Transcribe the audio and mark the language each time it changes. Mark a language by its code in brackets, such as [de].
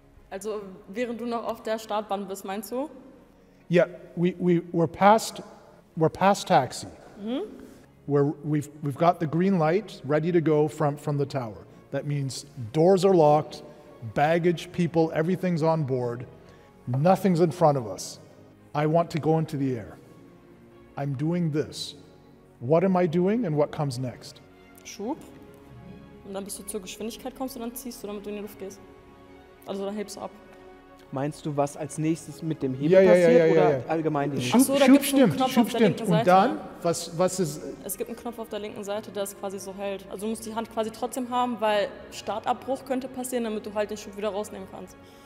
[de] Also, während du noch auf der Startbahn bist, meinst du? [en] Ja, we're past Taxi. Mhm. Where we've got the green light ready to go from the tower. That means doors are locked, baggage, people, everything's on board. Nothing's in front of us. I want to go into the air. I'm doing this. What am I doing and what comes next? [de] Schub. Und dann bist du zur Geschwindigkeit kommst und dann ziehst du, damit du in die Luft gehst. Also dann hebst du ab. Meinst du, was als nächstes mit dem Hebel passiert oder allgemein den Schub? Ach so, Schub stimmt, Schub stimmt. Und dann, was ist? Es gibt einen Knopf auf der linken Seite, der es quasi so hält. Also du musst die Hand quasi trotzdem haben, weil Startabbruch könnte passieren, damit du halt den Schub wieder rausnehmen kannst.